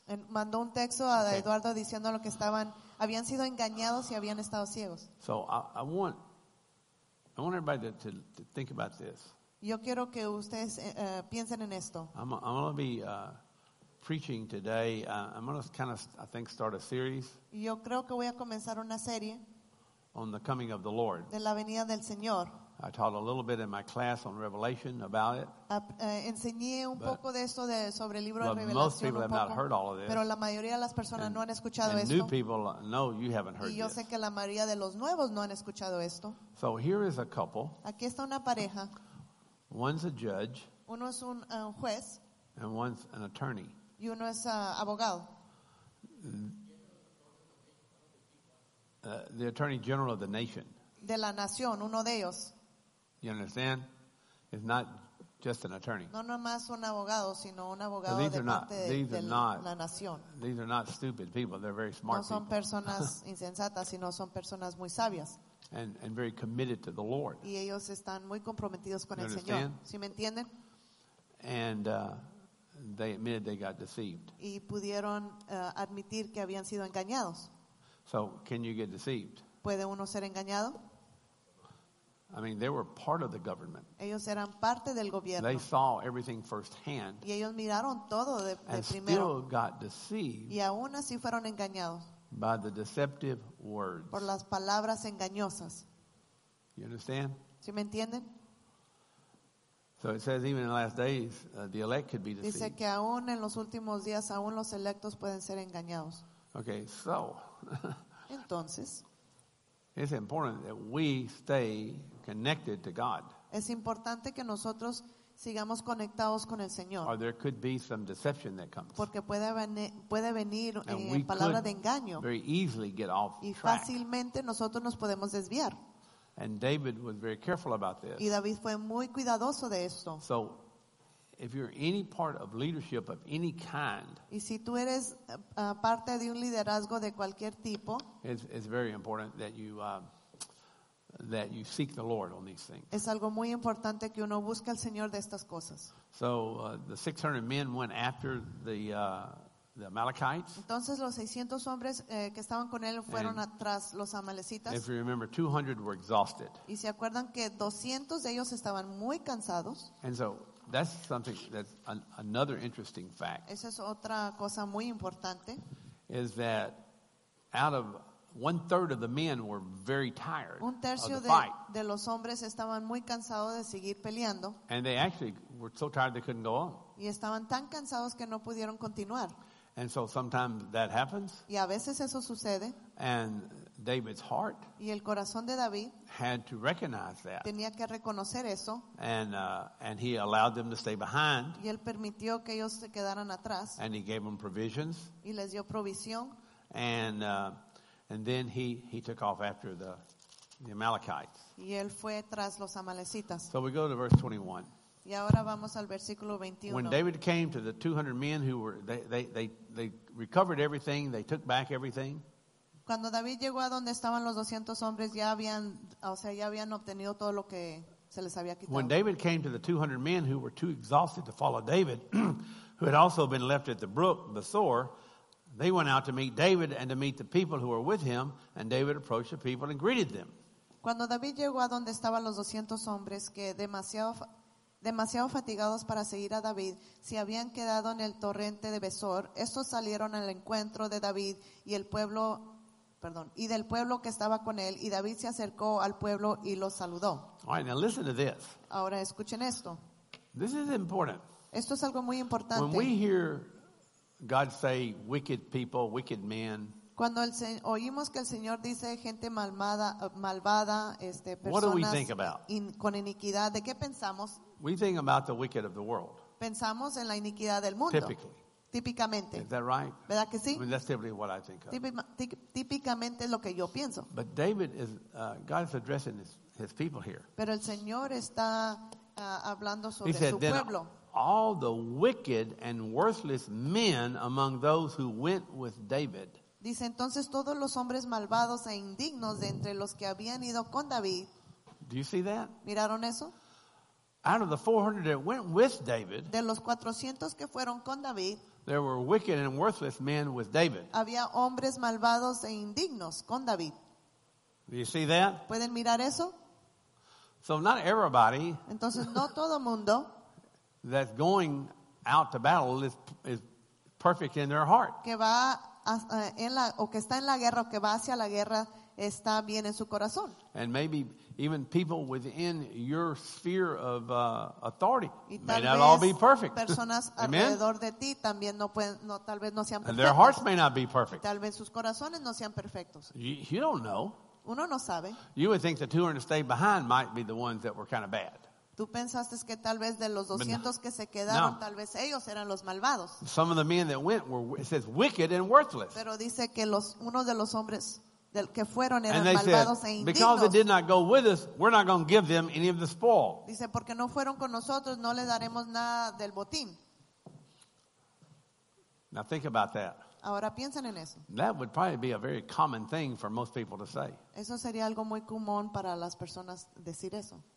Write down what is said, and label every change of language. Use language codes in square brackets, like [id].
[es] Mandó un texto a Eduardo diciendo lo que habían sido engañados y habían estado ciegos. [en] So I want everybody to think about this. [es] Yo quiero que ustedes piensen en esto. [en] I'm going to be preaching today. I'm going to kind of, I think, start a series. [es] Yo creo que voy a comenzar una serie. [en] On the coming of the Lord. [es] De la venida del Señor. [en] I taught a little bit in my class on Revelation about it. [es] Enseñé un poco de esto sobre el libro de Revelación. [en] Most people have [es] poco, [en] not heard all of this. [es] Pero la mayoría de las personas no han escuchado [en] and [es] esto. [en] New people, no, you haven't heard [es] y yo [en] this. [es] Sé que la mayoría de los nuevos no han escuchado esto. [en] So here is a couple. [es] Aquí está una pareja. [en] One's a judge. [es] Uno es un juez. [en] And one's an attorney. [es] Y uno es abogado. [en] The attorney general of the nation. [es] De la nación, uno de ellos. [en] You understand? It's not just an attorney. [es] No, no más un abogado, sino un abogado de parte de la nación. [en] These are not stupid people. They're very smart people. [es] No son personas insensatas, sino son personas muy sabias. [en] And very committed to the Lord. [es] Y ellos están muy comprometidos con el Señor. ¿Sí me entienden? [en] And they admitted they got deceived. [es] Y pudieron admitir que habían sido engañados. [en] So, can you get deceived? [es] ¿Puede uno ser engañado? [en] I mean, they were part of the government. [es] Ellos eran parte del gobierno. [en] They saw everything firsthand. [es] Y ellos miraron todo de primero. [en] And still got deceived. [es] Y aún así fueron engañados. [en] By the deceptive words. [es] Por las palabras engañosas. [en] You understand? [es] ¿Sí me entienden? [en] So it says even in the last days, the elect could be deceived. [es] Dice que aún en los últimos días, aún los electos pueden ser engañados. [en] Okay, so. [es] Entonces. [en] It's important that we stay connected to God. [es] Es importante que nosotros sigamos conectados con el Señor. [en] Or there could be some deception that comes. [es] Porque puede venir palabra de engaño. [en] And we could very easily get off track. [es] Y fácilmente nosotros nos podemos desviar. [en] And David was very careful about this. [es] Y David fue muy cuidadoso de esto. [en] So, if you're any part of leadership of any kind, [es] y si tú eres parte de un liderazgo de cualquier tipo, [en] it's very important that you seek the Lord on these things. [es] Es algo muy importante que uno busque al Señor de estas cosas. [en] So, the 600 men went after the Amalekites. [es] Entonces los 600 hombres que estaban con él fueron atrás los amalecitas. [en] If you remember, 200 were exhausted. [es] Y se acuerdan que 200 de ellos estaban muy cansados. [en] And so that's something that's another interesting fact. [es] Esa es otra cosa muy importante. [en] Is that out of one third of the men were very tired. [es] Un tercio [en] of the fight. [es] De los hombres estaban muy cansados de seguir peleando. [en] And they actually were so tired they couldn't go on. [es] Y estaban tan cansados que no pudieron continuar. [en] And so sometimes that happens. [es] Y a veces eso sucede. [en] And David's heart. [es] Y el corazón de David. [en] Had to recognize that. [es] Tenía que reconocer eso. [en] And he allowed them to stay behind. [es] Y él permitió que ellos se quedaran atrás. [en] And he gave them provisions. [es] Y les dio provisión. [en] And then he took off after the Amalekites. [es] Y él fue tras los amalecitas. [en] So we go to verse 21. [es] Y ahora vamos al versículo 21. [en] When David came to the 200 men who were they recovered everything, they took back everything. [es] Cuando David llegó a donde estaban los 200 hombres, ya habían obtenido todo lo que se les había quitado. [en] When David came to the 200 men who were too exhausted to follow David, who had also been left at the brook Besor, they went out to meet David and to meet the people who were with him, and David approached the people and greeted them. [es] Cuando David llegó a donde estaban los 200 hombres que demasiado fatigados para seguir a David, si habían quedado en el torrente de Besor, estos salieron al encuentro de David y el pueblo, perdón, y del pueblo que estaba con él, y David se acercó al pueblo y los saludó. [en] All right, now listen to this. [es] Ahora escuchen esto. [en] This is important. [es] Esto es algo muy importante. [en] When we hear God say wicked people, wicked men, [es] cuando oímos que el Señor dice gente malvada, personas con iniquidad, ¿de qué pensamos? [en] We think about the wicked of the world. [es] Pensamos en la iniquidad del mundo. [en] Typically. [es] Típicamente. [en] Is that right? [es] ¿Verdad que sí? [en] I mean, that's typically what I think of. [es] Típicamente es lo que yo pienso. [en] But David is, God is addressing his people here. [es] Pero el Señor está hablando sobre [en] he said, [es] su pueblo. [en] All the wicked and worthless men among those who went with David. [es] Dice entonces todos los hombres malvados e indignos de entre los que habían ido con David. [en] Do you see that? [es] ¿Miraron eso? [en] Out of the 400 that went with David, [es] de los 400 que fueron con David, [en] there were wicked and worthless men with David. [es] Había hombres malvados e indignos con David. [en] Do you see that? [es] ¿Pueden mirar eso? [en] So not everybody. [es] Entonces no todo mundo. [en] That's going out to battle is perfect in their heart. [es] Que va o que está en la guerra o que va hacia la guerra está bien en su corazón. [en] And maybe even people within your sphere of authority may not all be perfect. [es] Personas alrededor de ti también no pueden, no, tal vez no sean perfectos. [en] And their hearts may not be perfect. [es] Tal vez sus corazones no sean perfectos. [en] You don't know. [es] Uno no sabe. [en] You would think the 200 that stayed behind might be the ones that were kind of bad. [es] Tú pensaste que tal vez de los 200 que se quedaron, tal vez ellos eran los malvados. [en] Some of the men that went were, it says, wicked and worthless. [es] Pero dice que uno de los hombres que fueron eran malvados e indignos. [en] Because they did not go with us, we're not going to give them any of the spoil. [es] Dice, porque no fueron con nosotros, no le daremos nada del botín. [en] Now think about that. [es] Ahora piensen en eso. [en] That would probably be a very common thing for most people to say. [es] Eso sería algo muy común para las personas decir eso.